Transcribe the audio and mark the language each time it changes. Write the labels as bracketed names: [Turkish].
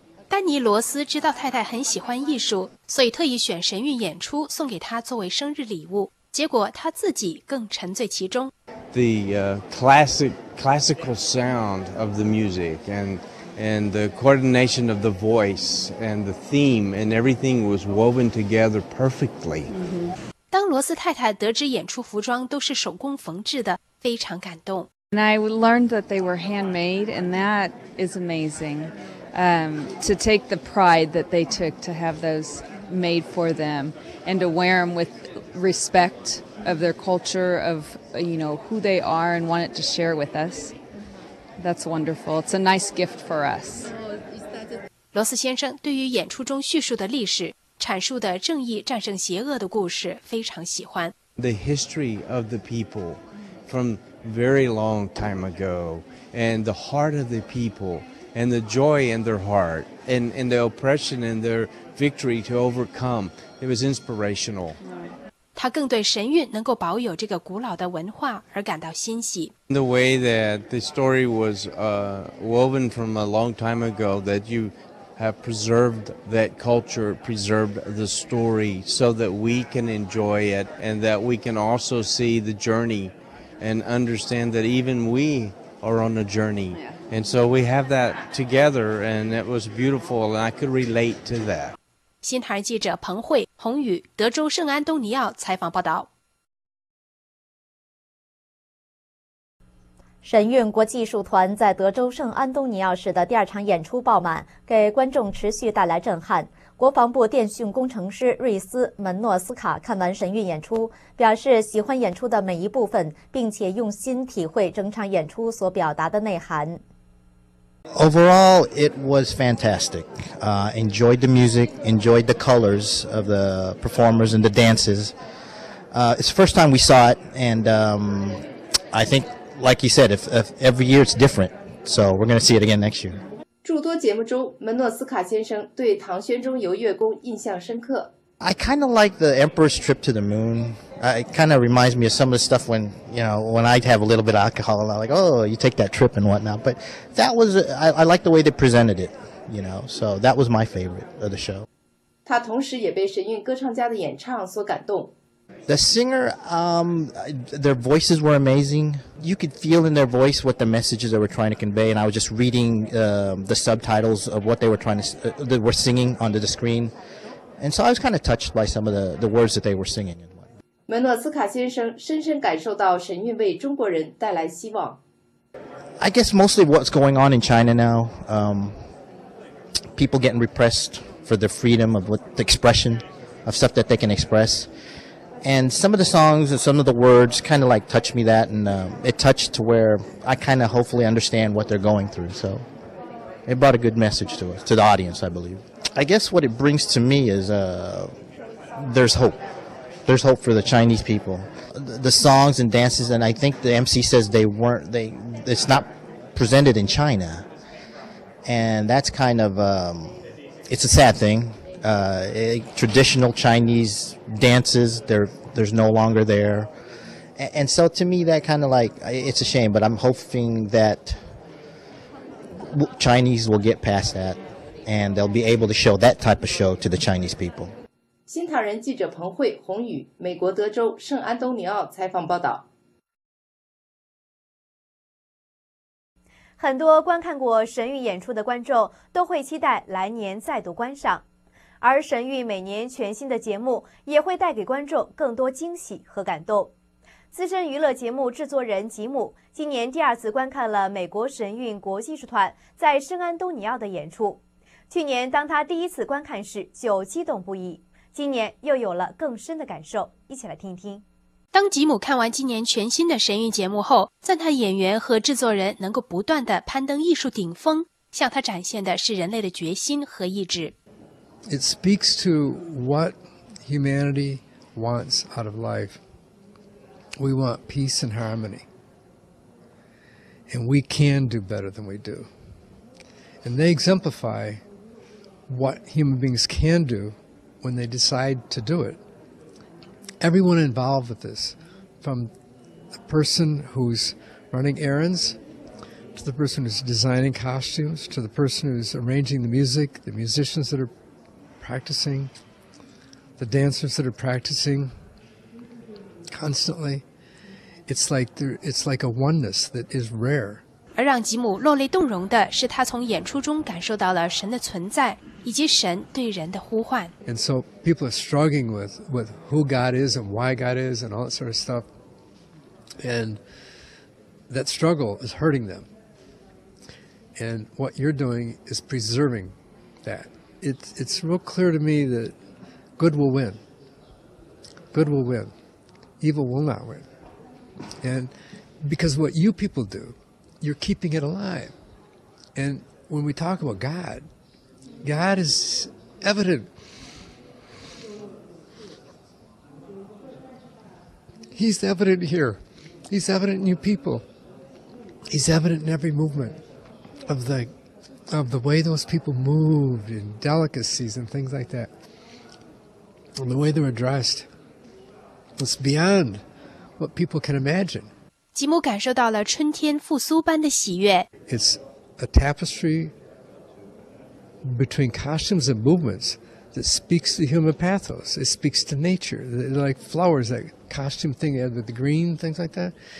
[Chinese] 丹尼罗斯知道太太很喜欢艺术，所以特意选神韵演出送给她作为生日礼物，结果他自己更沉醉其中。 [English] The classical sound of the music and the coordination of the voice and the theme and everything was woven together perfectly.、 Mm-hmm. [Chinese] 当罗斯太太得知演出服装都是手工缝制的，非常感动。 [English] And I learned that they were handmade and that is amazing. To take the pride that they took to have those made for them and to wear them with respect of their culture, of, you know, who they are, and wanted to share with us. That's wonderful. It's a nice gift for us. [Chinese] 罗斯先生对于演出中叙述的历史、阐述的正义战胜邪恶的故事非常喜欢。 [English] The history of the people from very long time ago, and the heart of the people, and the joy in their heart, and the oppression and their victory to overcome, it was inspirational. [Chinese] 他更对神韵能够保有这个古老的文化而感到欣喜。 [English] The way that the story was woven from a long time ago, that you have preserved that culture, preserved the story so that we can enjoy it and that we can also see the journey and understand that even we are on a journey. And so we have that together and it was beautiful and I could relate to that. [Chinese] 新唐人记者彭慧、洪宇，德州圣安东尼奥采访报道。神韵国际艺术团在德州圣安东尼奥市的第二场演出爆满，给观众持续带来震撼。国防部电讯工程师瑞斯·门诺斯卡看完神韵演出，表示喜欢演出的每一部分，并且用心体会整场演出所表达的内涵。 [English] Overall, it was fantastic. Enjoyed the music, enjoyed the colors of the performers and the dances. It's the first time we saw it, and I think, like you said, if every year it's different, so we're going to see it again next year. [Chinese] 诸多节目中，门诺斯卡先生对唐宣宗游月宫印象深刻。 [English] I kind of like the Emperor's trip to the moon. It kind of reminds me of some of the stuff when, you know, when I have a little bit of alcohol, and I'm like, oh, you take that trip and whatnot. But that was, I like the way they presented it, you know, so that was my favorite of the show. [Chinese] 他同时也被神韵歌唱家的演唱所感动。 [English] The singer, their voices were amazing. You could feel in their voice what the messages they were trying to convey, and I was just reading the subtitles of what they were trying to, they were singing onto the screen. And so I was kind of touched by some of the words that they were singing. [Chinese] 门诺斯卡先生深深感受到神韵为中国人带来希望。 [English] I guess mostly what's going on in China now, people getting repressed for their freedom of what, the expression of stuff that they can express. And some of the songs and some of the words kind of like touched me that, and it touched to where I kind of hopefully understand what they're going through. So it brought a good message to us, to the audience, I believe. I guess what it brings to me is there's hope. There's hope for the Chinese people. The songs and dances, and I think the MC says it's not presented in China. And that's kind of, it's a sad thing. Traditional Chinese dances, there's no longer there. And so to me, that kind of like, it's a shame, but I'm hoping that Chinese will get past that. And they'll be able to show that type of show to the Chinese people. [Chinese] 新唐人记者彭慧、洪宇，美国德州圣安东尼奥采访报道。很多观看过神韵演出的观众都会期待来年再度观赏，而神韵每年全新的节目也会带给观众更多惊喜和感动。资深娱乐节目制作人吉姆今年第二次观看了美国神韵国际艺术团在圣安东尼奥的演出。去年当他第一次观看时就激动不已，今年又有了更深的感受，一起来听一听。当吉姆看完今年全新的神韵节目后，赞叹演员和制作人能够不断地攀登艺术顶峰，向他展现的是人类的决心和意志。 [English] It speaks to what humanity wants out of life. We want peace and harmony. And we can do better than we do. And they exemplify... what human beings can do when they decide to do it. Everyone involved with this, from the person who's running errands, to the person who's designing costumes, to the person who's arranging the music, the musicians that are practicing, the dancers that are practicing constantly. It's like a oneness that is rare. [Chinese] 而让吉姆落泪动容的是他从演出中感受到了神的存在以及神对人的呼唤。 [English] And so people are struggling with who God is and why God is and all that sort of stuff. And that struggle is hurting them. And what you're doing is preserving that. It's real clear to me that good will win. good will win, evil will not win. And because what you people do, you're keeping it alive. And when we talk about God, God is evident. He's evident here. He's evident in you people. He's evident in every movement of the way those people moved and delicacies and things like that. And the way they were dressed. It's beyond what people can imagine. [Chinese] 吉姆感受到了春天复苏般的喜悦。 [English] It's a tapestry between costumes and movements that speaks to human pathos. It speaks to nature. They're like flowers, that costume thing, the green, things like that.